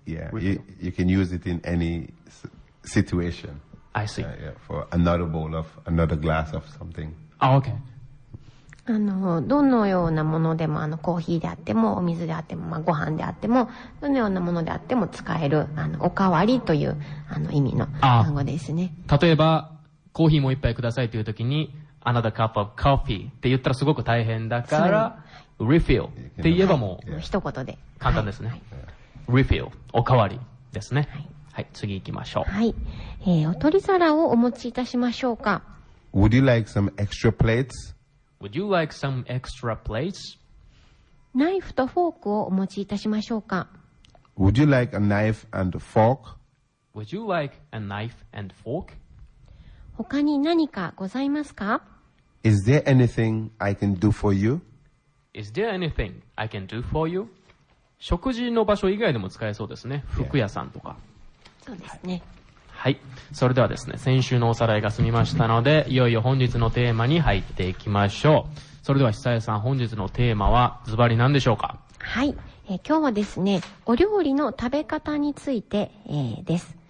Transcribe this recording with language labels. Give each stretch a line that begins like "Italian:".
English: Yeah, you can use it in any situation. I see. For another bowl of, another glass of something. Ah, okay.
Japanese: どのようなものでも、コーヒーであっても、お水であっても、まあ、ご飯であっても、どのようなものであっても使える、おかわりという、意味の単語ですね。例えば、コーヒーもう一杯くださいという時に、
English: another cup of coffee
Japanese: って言ったらすごく大変だから、refill って言えばもう、一言で。簡単ですね。refill、おかわりですね。はい、次行きましょう。はい。お取り皿をお持ちいたしましょうか。
English: Would you like some extra plates? Would you like some extra plates?
Japanese: ナイフとフォークをお持ちいたしましょうか。
English: Would you like a knife and a fork? Would you like a knife and fork?
Japanese: 他に何かございますか?
English: Is there anything I can do for you? Is there anything I can do for you?
Japanese: 食事の場所以外でも使えそうですね。服屋さんとか。そうですね。はい、それではですね、先週のおさらいが済みましたので、いよいよ本日のテーマに入っていきましょう。それでは久江さん、本日のテーマはズバリ何でしょうか。はい、今日はですね、お料理の食べ方について、です。